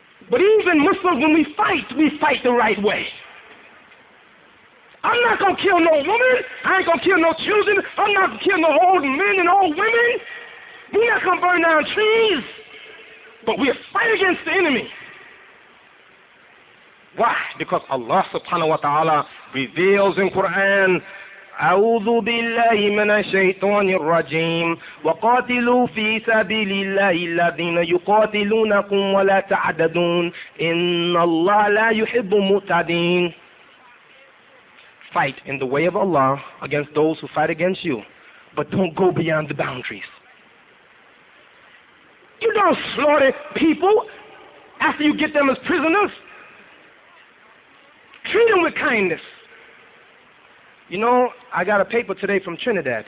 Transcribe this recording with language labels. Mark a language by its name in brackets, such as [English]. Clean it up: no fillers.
[English] But even Muslims, when we fight the right way. I'm not going to kill no woman. I ain't going to kill no children. I'm not going to kill no old men and old women. We're not going to burn down trees. But we'll fight against the enemy. Why? Because Allah subhanahu wa ta'ala reveals in Quran, [Arabic] أعوذ بالله من الشيطان الرجيم وقاتلوا في سبيل الله الذين يقاتلونكم ولا تعتدون إن الله لا يحب المعتدين. [English] Fight in the way of Allah against those who fight against you, but don't go beyond the boundaries. You don't slaughter people after you get them as prisoners. Treat them with kindness. You know, I got a paper today from Trinidad.